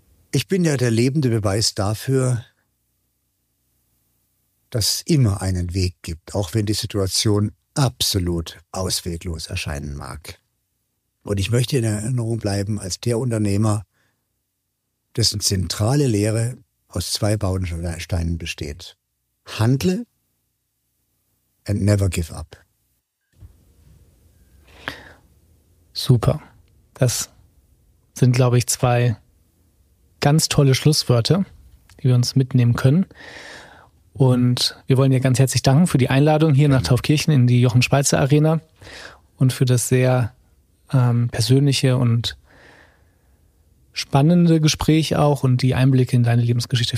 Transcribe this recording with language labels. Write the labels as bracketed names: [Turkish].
[German] Ich bin ja der lebende Beweis dafür, dass es immer einen Weg gibt, auch wenn die Situation absolut ausweglos erscheinen mag. Und ich möchte in Erinnerung bleiben als der Unternehmer, dessen zentrale Lehre aus zwei Bausteinen besteht. [English] Handle and never give up. [German] Super. Das sind, glaube ich, zwei ganz tolle Schlusswörter, die wir uns mitnehmen können. Und wir wollen dir ganz herzlich danken für die Einladung hier nach Taufkirchen in die Jochen-Schweizer Arena und für das sehr persönliche und spannende Gespräch auch und die Einblicke in deine Lebensgeschichte.